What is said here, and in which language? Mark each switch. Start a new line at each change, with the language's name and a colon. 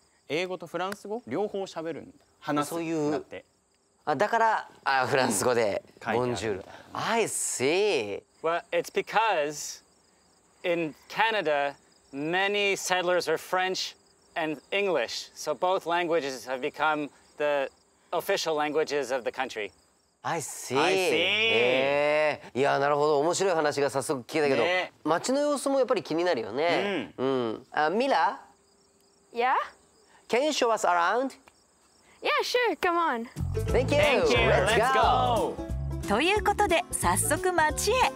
Japanese: 英語とフランス語両方喋るんだ。話すなって。あ、だからあフランス語で、うん、ボンジュール。
English: I see. Well, it's because in Canada, many settlers are French and English. So both languages have become the official languages of the country. I see. I see.
Japanese: いやなるほど、面白い話が早速聞けたけど、ね、街の様子もやっぱり気になるよね。うん、うん、ミラ
English: Yeah? Can you show us around? Yeah, sure, come on. Thank you. Thank you. Let's go.
Japanese: ということで早速街へ。